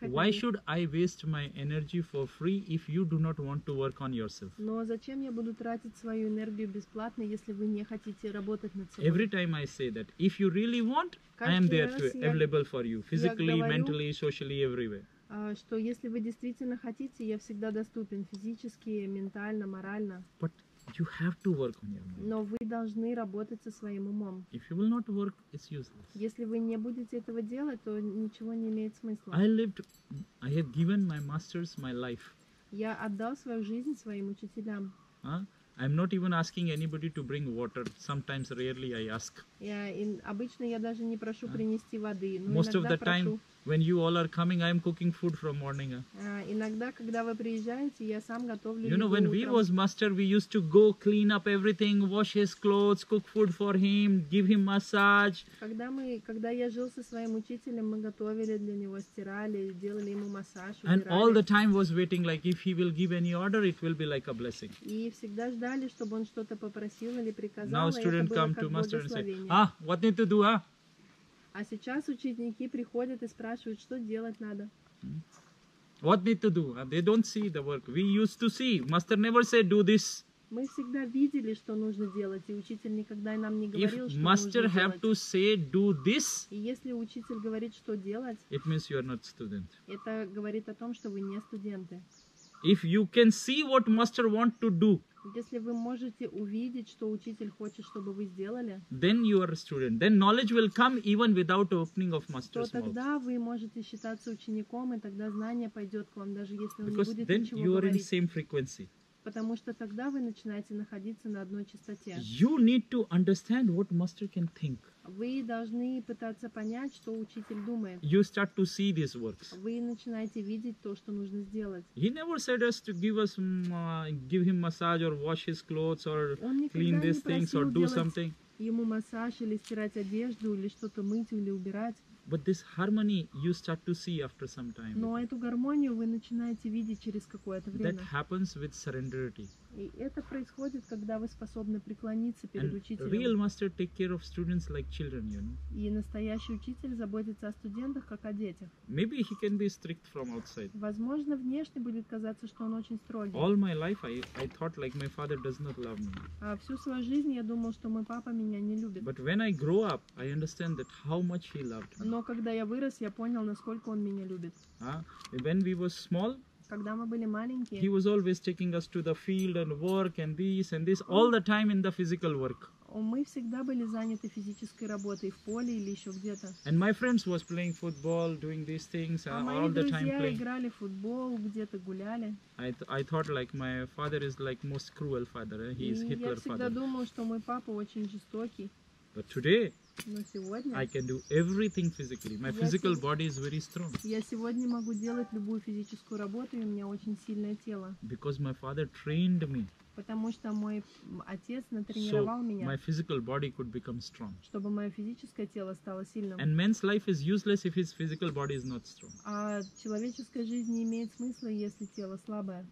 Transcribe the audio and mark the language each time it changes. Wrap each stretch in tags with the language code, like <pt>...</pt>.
<en>But why should I waste my energy for free if you do not want to work on yourself?</en> <ru>Но зачем я буду тратить свою энергию бесплатно, если вы не хотите работать над собой?</ru> <en>Every time I say that, if you really want,</en> <ru>каждый</ru> <en>I am there to available</en> <ru>я,</ru> <en>for you, physically,</en> <ru>говорю,</ru> <en>mentally, socially, everywhere.</en> <ru>Что если вы действительно хотите, я всегда доступен физически, ментально, морально.</ru> <en>But you have to work on your mind.</en> <ru>Но вы должны работать со своим умом.</ru> <en>If you will not work, it's useless.</en> <ru>Если вы не будете этого делать, то ничего не имеет смысла.</ru> <en>I have given my masters my life.</en> <ru>Я отдал свою жизнь своим учителям.</ru> <en>I'm not even asking anybody to bring water. Sometimes, rarely, I ask.</en> <ru>Yeah, обычно я даже не прошу принести воды.</ru> <en>Most of the</en> <ru>прошу.</ru> <en>Time, when you all are coming, I'm cooking food from morning.</en> <ru>Иногда, когда вы приезжаете, я сам готовлю еду.</ru> <en>You know, when</en> <ru>утром.</ru> <en>We was master, we used to go clean up everything, wash his clothes, cook food for him, give him massage.</en> <ru>Когда я жил со своим учителем, мы готовили для него, стирали, делали ему массаж.</ru> <en>And</en> <ru>убирали.</ru> <en>All the time was waiting, like if he will give any order, it will be like a blessing.</en> <ru>И всегда ждали, чтобы он что-то попросил или приказал.</ru> <en>Now</en> <ru>а</ru> <en>student come to master and say, what need to do,</en> <ru>А сейчас ученики приходят и спрашивают, что делать надо.</ru> <en>What need to do? They don't see the work. We used to see. Master never said, do this.</en> <ru>Мы всегда видели, что нужно делать, и учитель никогда нам не говорил,</ru> <en>if</en> <ru>что нужно делать.</ru> <en>Master have to say do this.</en> <ru>И если учитель говорит, что делать,</ru> <en>it means you are not student.</en> <ru>Это говорит о том, что вы не студенты.</ru> <en>If you can see what master want to do.</en> <ru>Если вы можете увидеть, что учитель хочет, чтобы вы сделали,</ru> <en>then you are a student. Then knowledge will come even without opening of master's mouth.</en> <ru>То тогда вы можете считаться учеником, и тогда знание пойдет к вам, даже если он не будет ничего говорить.</ru> <en>Because then you are in the same frequency.</en> <ru>Потому что тогда вы начинаете находиться на одной частоте.</ru> <en>You need to understand what master can think.</en> <ru>Вы должны пытаться понять, что учитель думает.</ru> <en>You start to see these works.</en> <ru>Вы начинаете видеть то, что нужно сделать.</ru> <en>He never said us to give him massage or wash his clothes or clean these things or do something.</en> <ru>Ему массаж или стирать одежду или что-то мыть или убирать.</ru> <en>But this harmony you start to see after some time.</en> <ru>Но эту гармонию вы начинаете видеть через какое-то время.</ru> <en>That happens with surrenderity.</en> <ru>И это происходит, когда вы способны преклониться перед учителем.</ru> <en>Real master take care of students like children, you know.</en> <ru>И настоящий учитель заботится о студентах как о детях.</ru> <en>Maybe he can be strict from outside.</en> <ru>Возможно, внешне будет казаться, что он очень строгий.</ru> <en>All my life I thought like my father does not love me.</en> <ru>А всю свою жизнь я думал, что мой папа меня не любит.</ru> <en>But when I grow up, I understand that how much he loved me.</en> <ru>Но когда я вырос, я понял, насколько он меня любит.</ru> <en>When we were small,</en> <ru>когда мы были маленькие,</ru> <en>he was always taking us to the field and work and this all the time in the physical work.</en> <ru>Мы всегда были заняты физической работой в поле или еще где-то.</ru> <en>And my friends was playing football, doing these things, all the time playing.</en> <ru>Мои друзья играли в футбол, где-то гуляли.</ru> <en>I thought like my father is like most cruel father. He is Hitler father.</en> <ru>Я всегда думал, что мой папа очень жестокий.</ru> <en>But today,</en> <ru>но сегодня</ru> <en>I can do everything physically. My physical body is very strong.</en> <ru>Я сегодня могу делать любую физическую работу, и у меня очень сильное тело.</ru> <en>Because my father trained me.</en> <ru>Потому что мой отец натренировал меня.</ru> <en>So my physical body could become strong.</en> <ru>Чтобы мое физическое тело стало сильным.</ru> <en>And man's life is useless if his physical body is not strong.</en> <ru>А человеческая жизнь не имеет смысла, если тело слабое.</ru>